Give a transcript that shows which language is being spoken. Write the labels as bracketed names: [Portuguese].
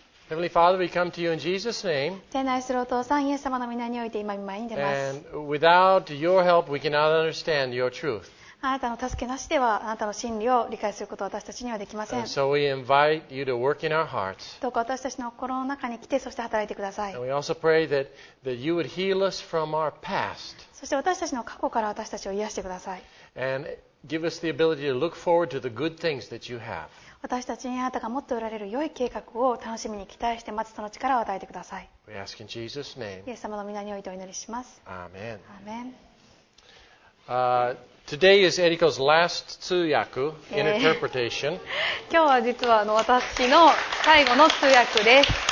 [English] Heavenly Father, we come to you in Jesus' name. [Japanese] 天の愛するお父さん、イエス様の御名において今見舞いに出ます。 [English] And without your help, we cannot understand your truth. [Japanese] あなたの助けなしでは、あなたの真理を理解することは私たちにはできません。 [English] And so we invite you to work in our hearts. [Japanese] どうか私たちの心の中に来て、そして働いてください。 [English] And we also pray that you would heal us from our past. [Japanese] そして私たちの過去から私たちを癒してください。 [English] And give us the ability to look forward to the good things that you have. [Japanese] 私たちにあなたが持っておられる良い計画を楽しみに期待して待つその力を与えてください。 [English] We ask in Jesus' name. [Japanese] イエス様の御名においてお祈りします。アーメン。アーメン。 [English] Today is Eriko's last 通訳 interpretation. [Japanese] 今日は実は私の最後の通訳です。